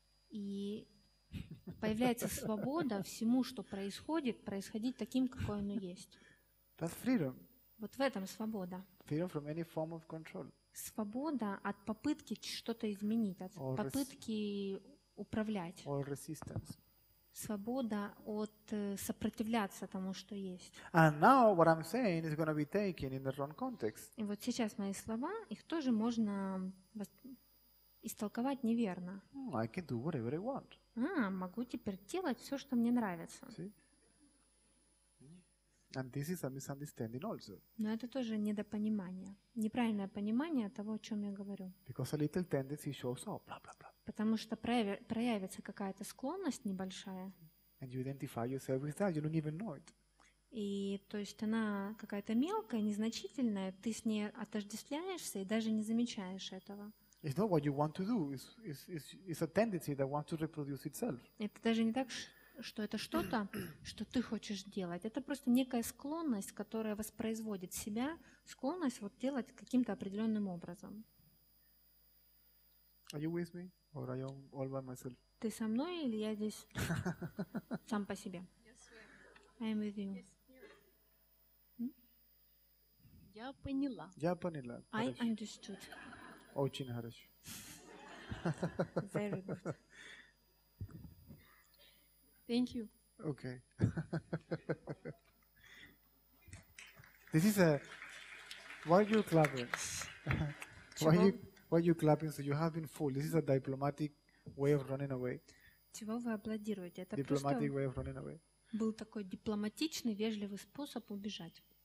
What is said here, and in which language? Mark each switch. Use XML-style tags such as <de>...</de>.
<ru>И появляется свобода всему, что происходит, происходить таким, какой оно есть.</ru> <en>That's freedom.</en> <ru>Вот в этом свобода.</ru> <en>Freedom from any form of control.</en> <ru>Свобода от попытки что-то изменить, от</ru> <en>or</en> <ru>попытки управлять.</ru> <en>Or resistance.</en> <ru>Свобода от сопротивляться тому, что есть.</ru> <en>And now what I'm saying is going to be taken in the wrong context.</en> <ru>И вот сейчас мои слова, их тоже можно истолковать неверно.</ru> <en>I can do whatever I want.</en> <ru>Могу теперь делать все, что мне нравится.</ru> <en>And this is a misunderstanding also.</en> <ru>Но это тоже недопонимание, неправильное понимание того, о чем я говорю.</ru> <en>Because a little tendency shows up, blah, blah, blah.</en> <ru>Потому что проявится какая-то склонность небольшая.</ru> <en>And you identify yourself with that, you don't even know it.</en> <ru>И то есть она какая-то мелкая, незначительная, ты с ней отождествляешься и даже не замечаешь этого.</ru> <en>It's not what you want to do. It's a tendency that wants to reproduce itself.</en> <ru>Это даже не так, что это что-то, что ты хочешь делать. Это просто некая склонность, которая воспроизводит себя, склонность вот делать каким-то определенным образом.</ru> <en>Are you with me, or are you all by myself?</en> <ru>Ты со мной или я здесь сам по себе?</ru> <en>Yes, I am with you.</en> <ru>Я поняла. Я поняла.</ru> <en>I understood.</en> <ru>Очень хорошо.</ru> <en>Very good. Thank you. Okay. This is a. Why are you clapping? Why are you clapping? So you have been fooled. This is a diplomatic way of running away.</en> <ru>Чего вы аплодируете? Это</ru> <en>diplomatic way of running away.</en> <ru>Был такой дипломатичный, вежливый способ убежать.</ru>